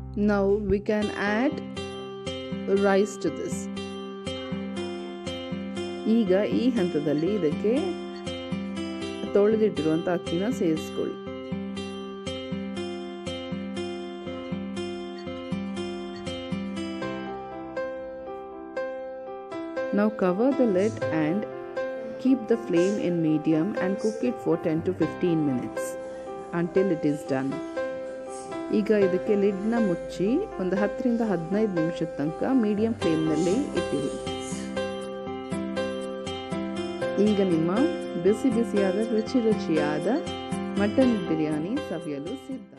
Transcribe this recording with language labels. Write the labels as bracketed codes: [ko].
[en] Now we can add rice to this. [kn] ಈಗ ಈ ಹಂತದಲ್ಲಿ ಇದಕ್ಕೆ ತೊಳೆದಿಟ್ಟಿರುವಂಥ ಅಕ್ಕಿನ ಸೇರಿಸ್ಕೊಳ್ಳಿ. [en] Now cover the lid and keep the flame in medium and cook it for 10 to 15 minutes until it is done. [kn] ಈಗ ಇದಕ್ಕೆ ಲಿಡ್ನ ಮುಚ್ಚಿ ಒಂದು 10-15 ನಿಮಿಷದ ತನಕ ಮೀಡಿಯಂ ಫ್ಲೇಮ್ನಲ್ಲಿ ಇಟ್ಟಿರಿ. ಈಗ ನಿಮ್ಮ ಬಿಸಿ ಬಿಸಿಯಾದ ರುಚಿ ರುಚಿಯಾದ ಮಟನ್ ಬಿರಿಯಾನಿ ಸವಿಯಲು ಸಿದ್ಧ.